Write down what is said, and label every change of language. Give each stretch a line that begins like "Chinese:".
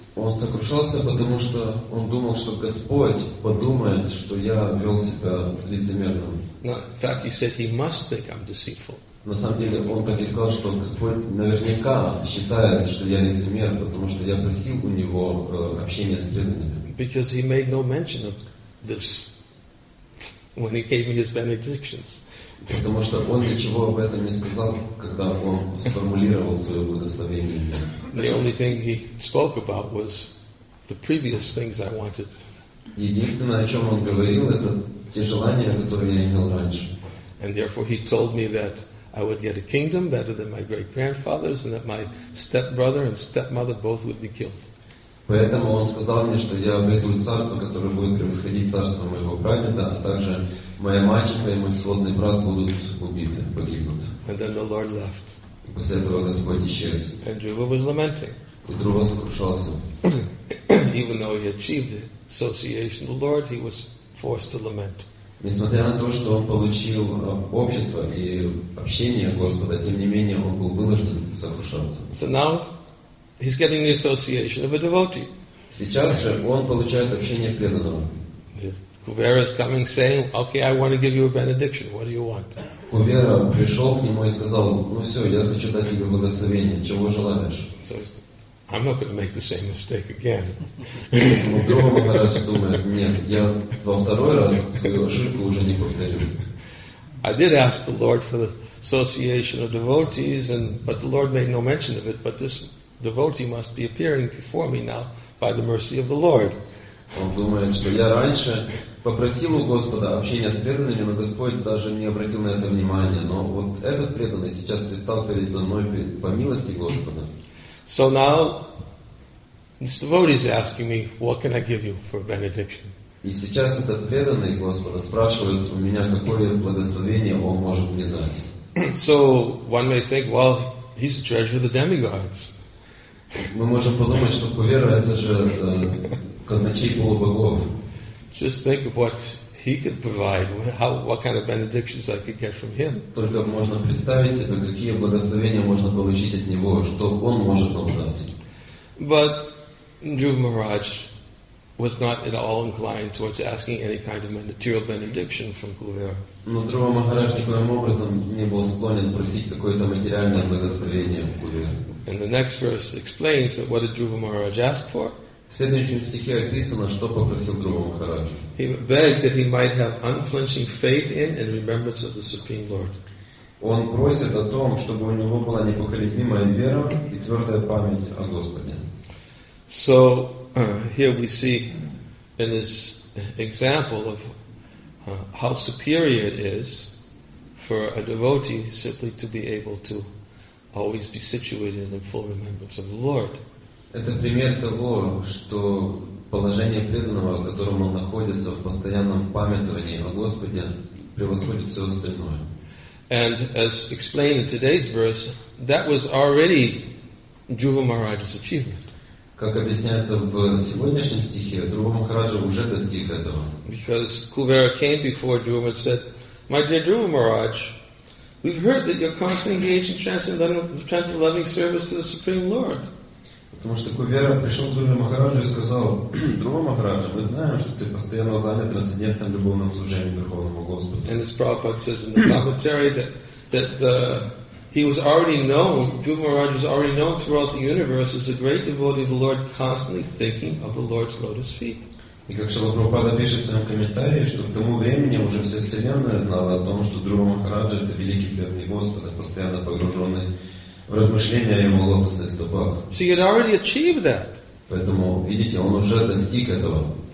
Russian: Он сокрушался, потому что он думал, что Господь подумает, что я вел себя лицемерно.
English: Now, in fact, he said he must think I'm deceitful.
Russian: На самом деле, он так и сказал, что Господь наверняка считает, что я лицемер, потому что я просил у него общения с преданными.
English: Because he made no mention of this when he gave me his benedictions.
Russian: Потому что он ничего об этом не сказал, когда он сформулировал свое благословение.
English: The only thing he spoke about was the previous things I wanted.
Russian: Единственное, о чем он говорил, это те желания, которые я имел раньше.
English: And therefore he told me that I would get a kingdom better than my great-grandfather's and that my stepbrother and stepmother both would be killed.
Russian: Поэтому он сказал мне, что я обрету царство, которое будет превосходить царство моего прадеда, а также моя мачеха и мой сводный брат будут убиты, погибнут.
English: And then the Lord left.
Russian: И после этого Господь исчез.
English: And Dhruva was lamenting.
Russian: И Дхрува сокрушался.
English: Even though he achieved the association of the Lord, he was forced to lament.
Russian: Несмотря на то, что он получил общество и общение Господа, тем не менее он был вынужден сокрушаться.
English: So now he's getting the association of a devotee.
Russian: Сейчас же он получает общение преданного.
English: Kuvera is coming saying, okay, I want to give you a benediction. What do you want?
Russian: Kuvera пришел к нему и сказал, ну все, я хочу дать тебе благословение. Чего желаешь?
English: So I'm not going to make the same mistake again.
Russian: Дхрува Махарадж думает, нет, я во второй раз свою ошибку уже не повторю.
English: I did ask the Lord for the association of devotees, but the Lord made no mention of it, but this devotee must be appearing before me now by the mercy of the Lord.
Russian: Он думает, что я раньше попросил у Господа общения с преданными, но Господь даже не обратил на это внимания. Но вот этот преданный сейчас предстал перед мной по милости Господа.
English: So now, this devotee is asking me, what can I give you for benediction?
Russian: И сейчас этот преданный Господа спрашивает у меня, какое благословение он может мне дать.
English: So one may think, well, he's the treasure of the demigods.
Russian: Мы можем подумать, что Кувера это же казначей полубогов.
English: Just think of what he could provide, what kind of benedictions I could get from him.
Russian: Только можно представить себе, какие благословения можно получить от него, что он может нам дать.
English: But Dhruva Maharaj was not at all inclined towards asking any kind of material benediction from Kuvera.
Russian: Но Дхрува Махарадж никоим образом не был склонен просить какое-то материальное благословение у Кувера.
English: And the next verse explains that what did Dhruva Maharaj ask for?
Russian: В следующем стихе описано, что попросил Дхрува Махарадж.
English: He begged that he might have unflinching faith in and remembrance of the Supreme Lord.
Russian: Он просит о том, чтобы у него была непоколебимая вера и твердая память о Господе.
English: So here we see in this example of how superior it is for a devotee simply to be able to always be situated in full remembrance of the Lord.
Russian: Это пример того, что положение преданного, в котором он находится в постоянном памятовании о Господе, превосходит все остальное.
English: And as explained in today's verse, that was already Dhruva Maharaj's achievement.
Russian: Как объясняется в сегодняшнем стихе, Дхрува Махарадж уже достиг этого.
English: Because Kuvera came before Dhruva and said, "My dear Dhruva Maharaj, we've heard that you're constantly engaged in transcendental loving service to the Supreme Lord."
Russian: Потому что Кувера пришел к Дхруве Махараджу и сказал, Дхрува Махарадж, мы знаем, что ты постоянно занят трансцендентным любовным служением Верховному Господу.
English: And as Prabhupada says in the commentary that he was already known, Dhruva Maharaj was already known throughout the universe as a great devotee of the Lord, constantly thinking of the Lord's lotus feet.
Russian: И как Шрила Прабхупада пишет в своем комментарии, что к тому времени уже вся Вселенная знала о том, что Дхрува Махарадж — это великий преданный Господа, постоянно погруженный в размышления о его лотосных стопах.
English: So you'd already achieved that.
Russian: Поэтому, видите, он уже достиг этого.